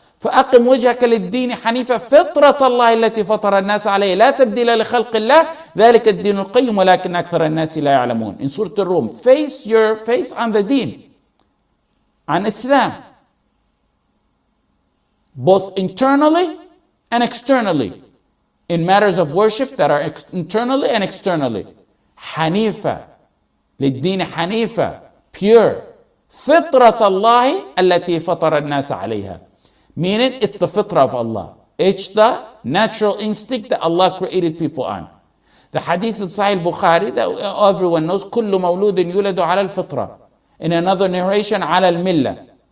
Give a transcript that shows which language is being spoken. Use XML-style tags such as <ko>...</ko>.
<ar>فَأَقِمْ وَجْهَكَ لِلدِّينِ حَنِيفًا فِطْرَةَ اللَّهِ الَّتِي فَطَرَ النَّاسَ عَلَيْهِ لَا تَبْدِيلَ لِخَلْقِ اللَّهِ ذَلِكَ الدِّينُ الْقَيِّمُ وَلَكِنَّ أَكْثَرَ النَّاسِ لَا يَعْلَمُونَ.</ar> <en>In Surah Al-Rum, face your face on the deen, on Islam, both internally and externally, in matters of worship that are internally and externally.</en> <ar>حَنِيفًا لِلدِّينِ حَنِيفًا, pure. فِطْرَةَ اللَّهِ الَّتِي فَطَرَ النَّاسَ عَلَيْهَا.</ar> <en>Meaning, it's the fitrah of Allah. It's the natural instinct that Allah created people on. The hadith in Sahih Bukhari that everyone knows,</en> <ar>كُلُّ مَوْلُودٍ يُولَدُ عَلَى الْفِطْرَةِ.</ar> <en>In another narration,</en> <ar>عَلَى الْمِلَّةِ.</ar>